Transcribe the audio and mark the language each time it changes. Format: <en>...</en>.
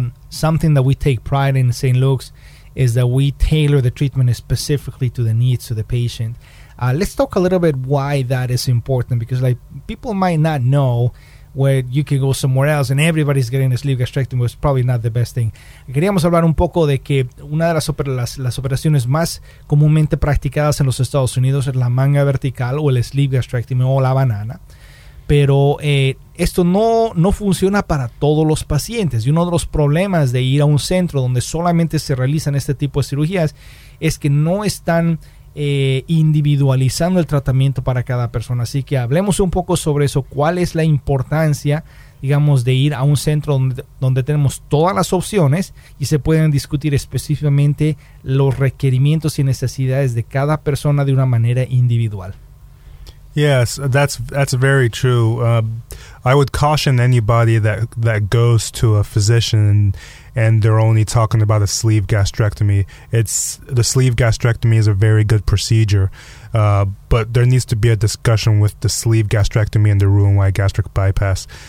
<en>Something that we take pride in St. Luke's is that we tailor the treatment specifically to the needs of the patient. Let's talk a little bit why that is important, because like people might not know where you can go somewhere else and everybody's getting a sleeve gastrectomy, which is probably not the best thing.</en> <es>Queríamos hablar un poco de que una de las operaciones más comúnmente practicadas en los Estados Unidos es la manga vertical o el sleeve gastrectomy o la banana. Pero esto no funciona para todos los pacientes. Y uno de los problemas de ir a un centro donde solamente se realizan este tipo de cirugías es que no están individualizando el tratamiento para cada persona. Así que hablemos un poco sobre eso. ¿Cuál es la importancia, digamos, de ir a un centro donde tenemos todas las opciones y se pueden discutir específicamente los requerimientos y necesidades de cada persona de una manera individual?</es> <en>Yes, that's very true. I would caution anybody that goes to a physician and they're only talking about a sleeve gastrectomy. The sleeve gastrectomy is a very good procedure, but there needs to be a discussion with the sleeve gastrectomy and the Roux-en-Y gastric bypass.</en>